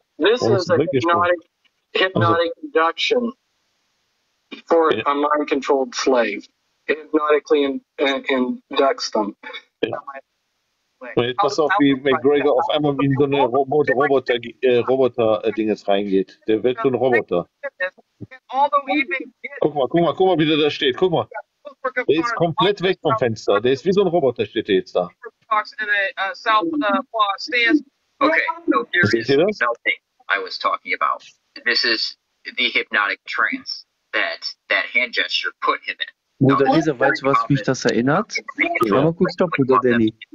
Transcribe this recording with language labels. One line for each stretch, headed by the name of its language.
English: This is a hypnotic induction for a mind-controlled slave. Hypnotically inducts them.
German: Jetzt pass auf, wie McGregor auf einmal in so eine Roboter-Ding jetzt reingeht. Der wird so ein Roboter. Guck mal, wie der da steht. Guck mal. Der ist komplett weg vom Fenster. Der ist wie so ein Roboter, steht der jetzt da.
English: Okay, so here is melting I was talking about. This is the hypnotic trance that hand gesture put him in.
German: Bruder Lisa, weißt du, was mich das erinnert? Hör mal kurz stopp, Bruder Danny.